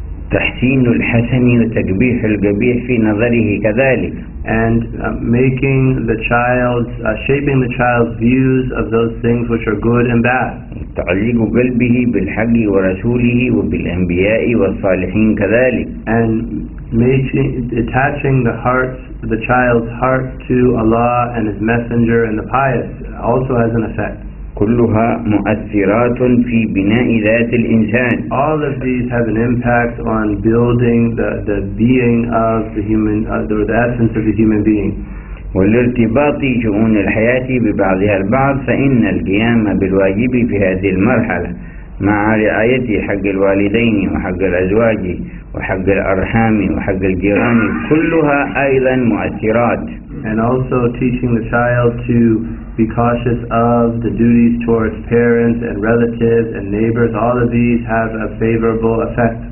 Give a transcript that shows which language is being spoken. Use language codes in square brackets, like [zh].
[ar] وتحسين الحسن وتقبيح القبيح في نظره كذلك. [en] And making the child's, shaping the child's views of those things which are good and bad. [ar] تعلق قلبه بالحق ورسوله وبالأنبياء والصالحين كذلك. [en] And attaching the child's heart to Allah and His Messenger and the pious also has an effect. [ar] كلها مؤثرات في بناء ذات الإنسان. [en] All of these have an impact on building the being of the human, or the essence of the human being. [ar] والارتباط شؤون الحياة ببعضها البعض فإن القيام بالواجب في هذه المرحلة مع رعاية حق الوالدين وحق الأزواج وحق الأرحام وحق الجيران كلها أيضا مؤثرات. [en] And also teaching the child to be cautious of the duties towards parents and relatives and neighbors, all of these have a favorable effect.